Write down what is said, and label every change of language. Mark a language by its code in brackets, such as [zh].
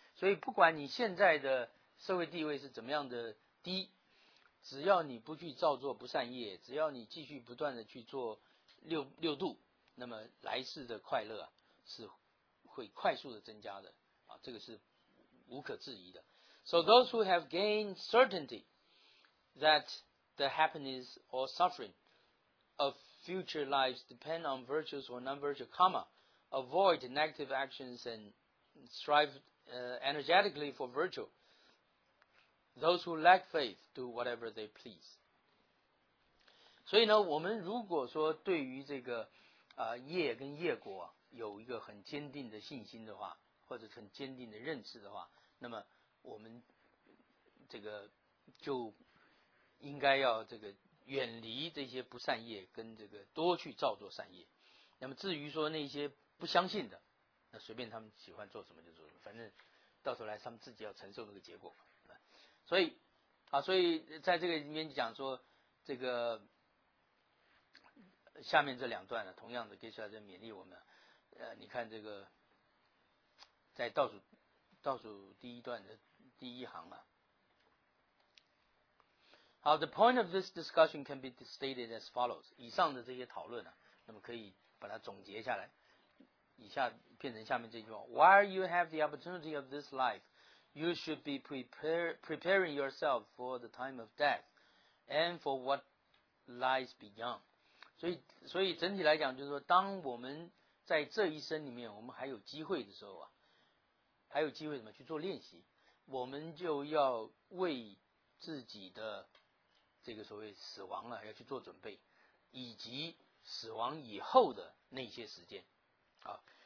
[zh] 所以不管你现在的社会地位是怎么样的低，只要你不去造作不善业，只要你继续不断的去做六度，那么来世的快乐啊是会快速的增加的啊，这个是无可置疑的。 [en] So those who have gained certainty that the happiness or suffering of future lives depend on virtues or non-virtue, comma, avoid negative actions and strive energetically for virtue. Those who lack faith do whatever they please. [zh] 所以呢，我们如果说对于这个业跟业果有一个很坚定的信心的话，或者很坚定的认识的话，那么我们这个就应该要这个远离这些不善业，跟这个多去造作善业。那么至于说那些不相信的，那随便他们喜欢做什么就做什么，反正到头来他们自己要承受那个结果。所以啊，所以在这个里面讲说这个下面这两段呢，同样的给出来在勉励我们。你看这个在倒数第一段的第一行啊。 [en] 好， the point of this discussion can be stated as follows. [zh] 以上的这些讨论呢、啊、那么可以把它总结下来。以下变成下面这句话。 [en] While you have the opportunity of this life, you should be preparing yourself for the time of death and for what lies beyond. [zh] 所以整体来讲就是说，当我们在这一生里面我们还有机会的时候啊，还有机会什么去做练习，我们就要为自己的这个所谓死亡了要去做准备，以及死亡以后的那些时间啊。